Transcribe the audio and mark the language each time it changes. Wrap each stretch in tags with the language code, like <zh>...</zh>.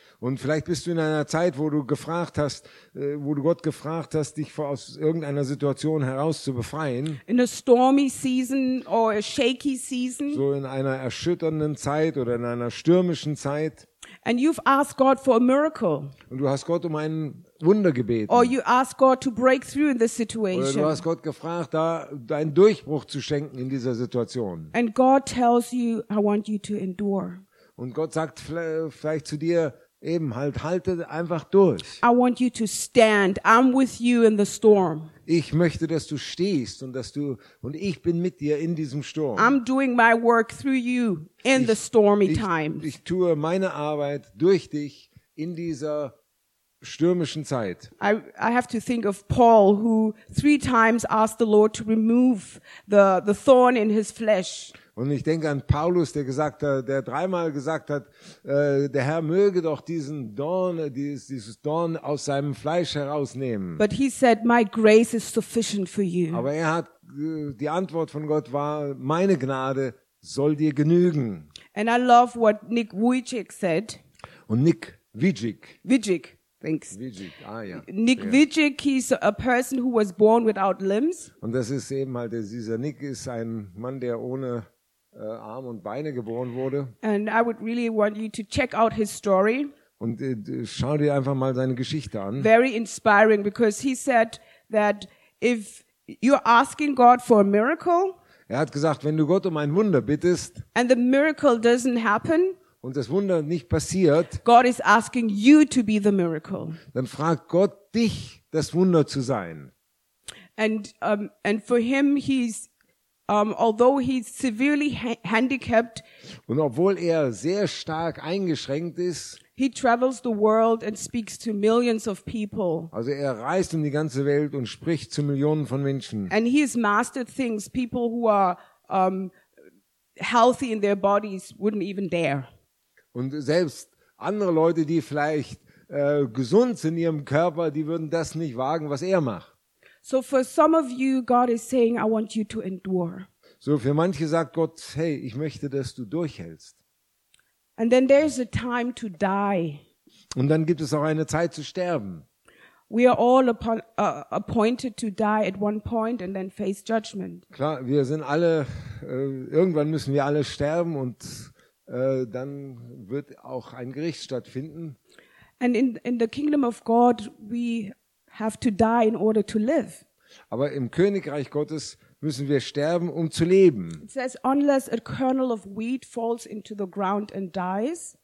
<de>Und vielleicht bist du in einer Zeit, wo du gefragt hast, wo du Gott gefragt hast, dich aus irgendeiner Situation heraus zu befreien.</de> <en>In a stormy season or a shaky season.</en> <de>So in einer erschütternden Zeit oder in einer stürmischen Zeit.</de> <en>And you've asked God for a miracle.</en> <de>Und du hast Gott ein Wunder gebeten.</de> <en>Or you ask God to break through in this situation.</en> <de>Oder du hast Gott gefragt, da deinen Durchbruch zu schenken in dieser Situation.</de> <en>And God tells you, I want you to endure.</en> <de>Und Gott sagt vielleicht zu dir, eben halt, halte einfach durch.</de> <en>I want you to stand. I'm with you in the storm.</en> <de>Ich möchte, dass du stehst und dass du und ich bin mit dir in diesem Sturm.</de> <en>I'm doing my work through you in the stormy times.</en> <de>Ich tue meine Arbeit durch dich in dieser stürmischen Zeit.</de> <en>I have to think of Paul, who three times asked the Lord to remove the thorn in his flesh.</en> <de>Und ich denke an Paulus, der dreimal gesagt hat, der Herr möge doch diesen Dorn, dieses Dorn aus seinem Fleisch herausnehmen.</de> <en>But he said, my grace is sufficient for you.</en> <de>Aber er hat, die Antwort von Gott war, meine Gnade soll dir genügen.</de> <en>And I love what Nick Vujicic said.</en> <de>Und Nick Vujicic.</de> <en>Vujicic. Thanks.</en> <de>Vujicic. Ah, ja.</de> <en>Nick Vujicic, he's a person who was born without limbs.</en> <de>Und das ist eben halt, dieser Nick ist ein Mann, der ohne Arm und Beine geboren wurde.</de> <en>And I would really want you to check out his story.</en> <de>Und schau dir einfach mal seine Geschichte an.</de> <en>Very inspiring, because he said that if you're asking God for a miracle,</en> <de>er hat gesagt, wenn du Gott ein Wunder bittest,</de> <en>and the miracle doesn't happen,</en> <de>und das Wunder nicht passiert,</de> <en>God is asking you to be the miracle.</en> <de>Dann fragt Gott dich, das Wunder zu sein.</de> <en>And for him, he's although he's severely handicapped,</en> <de>und obwohl er sehr stark eingeschränkt ist,</de> <en>he travels the world and speaks to millions of people.</en> <de>Also er reist die ganze Welt und spricht zu Millionen von Menschen.</de> <en>And he has mastered things people who are healthy in their bodies wouldn't even dare.</en> <de>Und selbst andere Leute, die vielleicht gesund sind in ihrem Körper, die würden das nicht wagen, was er macht.</de> <en>So for some of you, God is saying, I want you to endure.</en> <de>So für manche sagt Gott, hey, ich möchte, dass du durchhältst.</de> <en>And then there's a time to die.</en> <de>Und dann gibt es auch eine Zeit zu sterben.</de> <en>We are all appointed to die at one point and then face judgment.</en> <de>Klar, wir sind alle, irgendwann müssen wir alle sterben und dann wird auch ein Gericht stattfinden.</de> <en>And in the kingdom of God, we have to die in order to live.</en> <de>Aber im Königreich Gottes müssen wir sterben, um zu leben.</de> <en>It says, unless a kernel of wheat falls into the ground and dies.</en>